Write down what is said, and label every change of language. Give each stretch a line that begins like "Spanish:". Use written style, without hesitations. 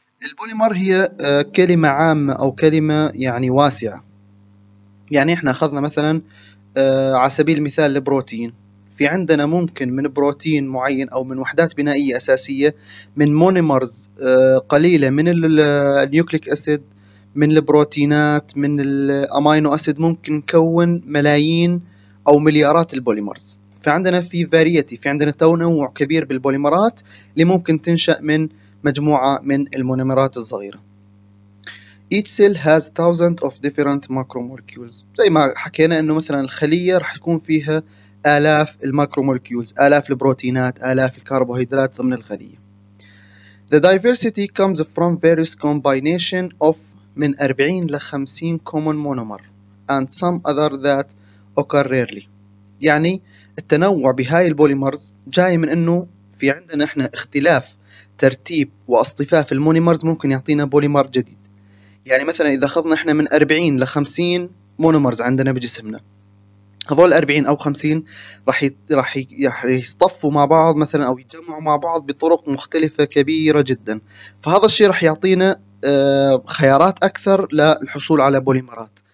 Arabic: البوليمر هي كلمة عامة أو كلمة يعني واسعة، يعني احنا أخذنا مثلا على سبيل المثال البروتين، في عندنا ممكن من بروتين معين أو من وحدات بنائية أساسية من مونيمرز قليلة من النيوكليك أسيد، من البروتينات، من الأمينو أسيد، ممكن نكون ملايين أو مليارات البوليمرز. فعندنا في فاريتي، في عندنا تنوع كبير بالبوليمرات اللي ممكن تنشأ من مجموعة من المونيمرات الصغيرة.
English: Each cell has thousands of different macromolecules.
Arabic: زي ما حكينا إنه مثلاً الخلية راح يكون فيها آلاف الماكروموليكيولز، آلاف البروتينات، آلاف الكربوهيدرات ضمن الخلية.
English: The diversity comes from various combination of
Arabic: من 40 ل 50
English: common monomer and some other that occur rarely.
Arabic: يعني التنوع بهاي البوليمرز جاي من إنه في عندنا إحنا اختلاف ترتيب واصطفاف المونيمرز ممكن يعطينا بوليمر جديد. يعني مثلا اذا اخذنا احنا من 40 ل 50 مونومرز عندنا بجسمنا، هذول 40 او 50 راح يصطفوا مع بعض مثلا او يتجمعوا مع بعض بطرق مختلفه كبيره جدا، فهذا الشيء راح يعطينا خيارات اكثر للحصول على بوليمرات.